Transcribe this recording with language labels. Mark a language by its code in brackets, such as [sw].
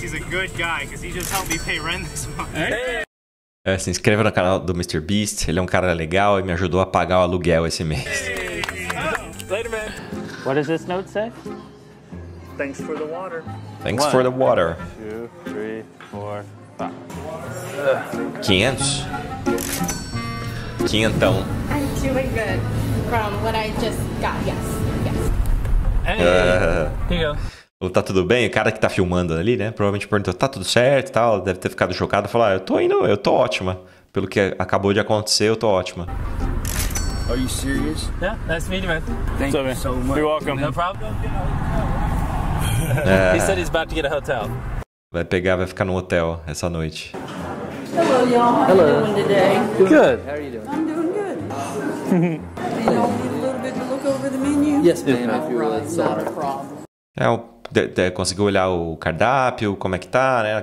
[en] He's a good guy because he just helped me pay rent this month. Hey! [pt] Se inscreva no canal do Mr. Beast. Ele é um cara legal e me ajudou a pagar o aluguel esse mês. [en] Hey! Oh, later, man. What does this note say? Thanks for the water. Thanks One. For the water. 2, 3, 4. [pt] Quinhentão. [en] I'm doing good from what I just got. Yes, yes. Hey, here you go. [pt] Tá tudo bem? O cara que tá filmando ali, né? Provavelmente perguntou, tá tudo certo e tal. Deve ter ficado chocado. Falou, ah, eu tô ótima. Pelo que acabou de acontecer, eu tô ótima. [en] Are you serious? Yeah, nice meeting, man. Thank you so much. You're welcome. No problem. He said he's about to get a hotel. [pt] Vai pegar, vai ficar no hotel essa noite. [en] Hello, y'all. How Hello. Are you doing today? Good. How are you doing? I'm doing good. Do you all need a little bit to look over the menu? Yes, ma'am. If you would, sorry. Not a problem. [pt] É, conseguiu olhar o cardápio, como é que tá, né?